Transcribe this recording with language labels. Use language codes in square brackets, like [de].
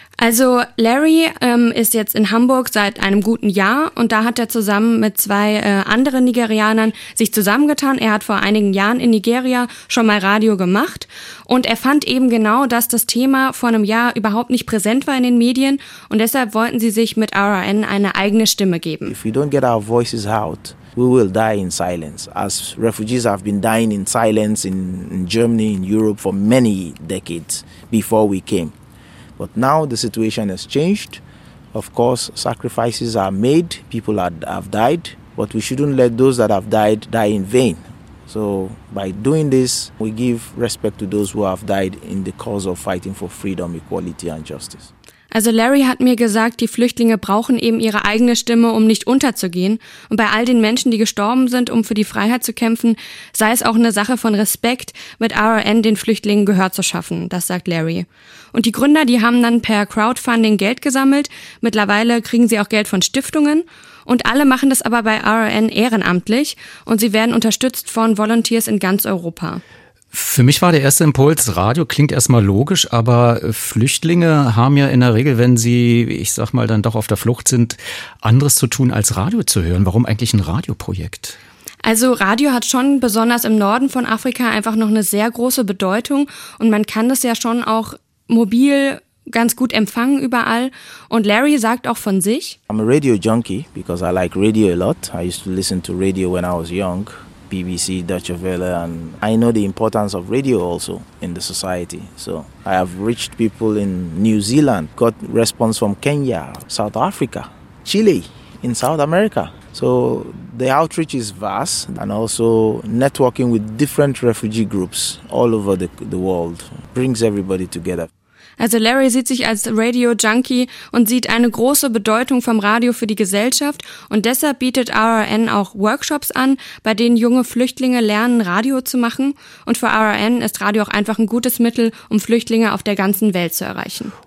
[de] Also Larry ist jetzt in Hamburg seit einem guten Jahr und da hat er zusammen mit zwei anderen Nigerianern sich zusammengetan. Er hat vor einigen Jahren in Nigeria schon mal Radio gemacht und er fand eben genau, dass das Thema vor einem Jahr überhaupt nicht präsent war in den Medien und deshalb wollten sie sich mit RRN eine eigene Stimme geben. [en] If we don't get our voices out, we will die in silence, as refugees have been dying in silence in Germany, in Europe for many decades before we came. But now the situation has changed. Of course, sacrifices are made. People have died. But we shouldn't let those that have died die in vain. So by doing this, we give respect to those who have died in the cause of fighting for freedom, equality and justice. [de] Also Larry hat mir gesagt, die Flüchtlinge brauchen eben ihre eigene Stimme, um nicht unterzugehen. Und bei all den Menschen, die gestorben sind, um für die Freiheit zu kämpfen, sei es auch eine Sache von Respekt, mit RRN den Flüchtlingen Gehör zu schaffen, das sagt Larry. Und die Gründer, die haben dann per Crowdfunding Geld gesammelt. Mittlerweile kriegen sie auch Geld von Stiftungen. Und alle machen das aber bei RRN ehrenamtlich. Und sie werden unterstützt von Volunteers in ganz Europa. Für mich war der erste Impuls, Radio klingt erstmal logisch, aber Flüchtlinge haben ja in der Regel, wenn sie, ich sag mal, dann doch auf der Flucht sind, anderes zu tun als Radio zu hören. Warum eigentlich ein Radioprojekt? Also Radio hat schon besonders im Norden von Afrika einfach noch eine sehr große Bedeutung und man kann das ja schon auch mobil ganz gut empfangen überall. Und Larry sagt auch von sich: [en] I'm a radio junkie because I like radio a lot. I used to listen to radio when I was young. BBC, Deutsche Welle, and I know the importance of radio also in the society. So I have reached people in New Zealand, got response from Kenya, South Africa, Chile, in South America. So the outreach is vast and also networking with different refugee groups all over the world brings everybody together. [de] Also Larry sieht sich als Radio-Junkie und sieht eine große Bedeutung vom Radio für die Gesellschaft und deshalb bietet RRN auch Workshops an, bei denen junge Flüchtlinge lernen, Radio zu machen. Und für RRN ist Radio auch einfach ein gutes Mittel, um Flüchtlinge auf der ganzen Welt zu erreichen.